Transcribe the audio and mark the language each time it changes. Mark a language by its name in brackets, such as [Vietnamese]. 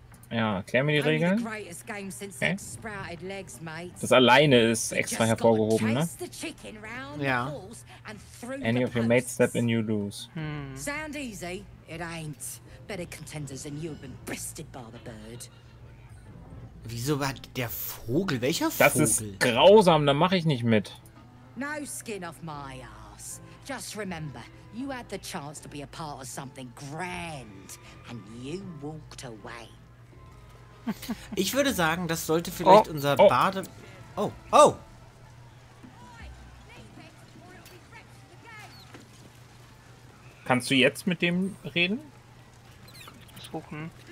[German] Ja, erklär mir die Regeln. Okay. Das alleine ist extra hervorgehoben, ne? Ja. [English] Any of your mates step in, you lose. Sound easy? It ain't. Better contenders than you have been bested by the bird. [German] Wieso war der Vogel? Welcher Vogel? Das ist grausam, da mache ich nicht mit. [English] No skin off my ass. Just remember, you had the chance to be a part of something grand and you walked away. [German] Ich würde sagen, das sollte vielleicht unser Bade... Oh! Kannst du jetzt mit dem reden? Suchen.